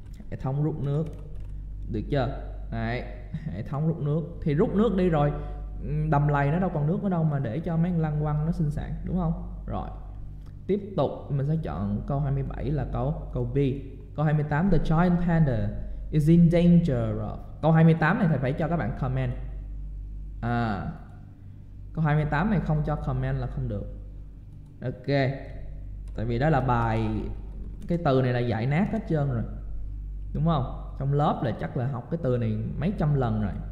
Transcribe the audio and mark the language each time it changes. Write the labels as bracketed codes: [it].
[vi] Hệ thống rút nước, được chưa? Đấy, hệ thống rút nước. Thì rút nước đi rồi, đầm lầy nó đâu còn nước ở đâu mà để cho mấy con lăng quăng nó sinh sản, đúng không? Rồi, tiếp tục mình sẽ chọn câu 27 là câu B. Câu 28, [en] the giant panda is in danger of. [vi] Câu 28 này thầy phải cho các bạn comment. À, câu 28 này không cho comment là không được. Ok, tại vì đó là bài, cái từ này là giải nát hết trơn rồi, đúng không? Trong lớp là chắc là học cái từ này mấy trăm lần rồi.